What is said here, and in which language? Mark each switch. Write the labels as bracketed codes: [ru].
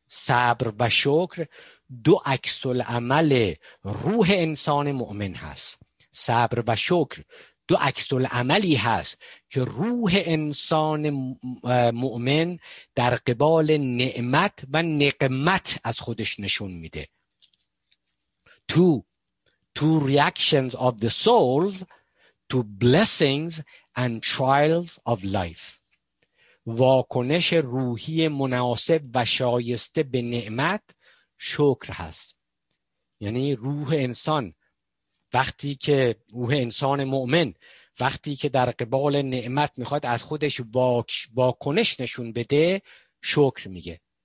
[fa] صبر و شکر دو عکس العمل روح انسان مؤمن هست. صبر و شکر دو عکس العملی هست که روح انسان مؤمن در قبال نعمت و نقمت از خودش نشون میده. [en] Two reactions of the soul to blessings and trials of life. [fa] واکنش روحی مناسب و شایسته به نعمت شکر هست. یعنی روح انسان وقتی که روح انسان مؤمن وقتی که در قبال نعمت میخواد از خودش واکنش نشون بده شکر میگه.